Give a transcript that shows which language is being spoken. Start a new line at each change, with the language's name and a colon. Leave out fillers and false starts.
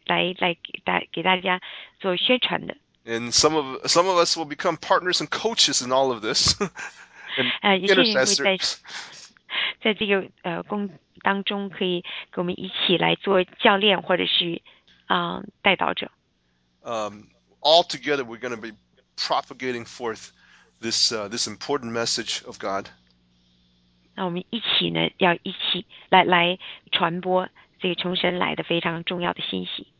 Chinese: 有些是我们这样促销者来给大家做宣传的。
English: And some of us will become partners and coaches in all of this. And intercessors.
Chinese: 有些人会在这个工当中可以给我们一起来做教练或者是带导者。
English: All together, we're going to be propagating forth this important message of God.
Chinese: 那我们一起呢，要一起来传播这个从神来的非常重要的信息。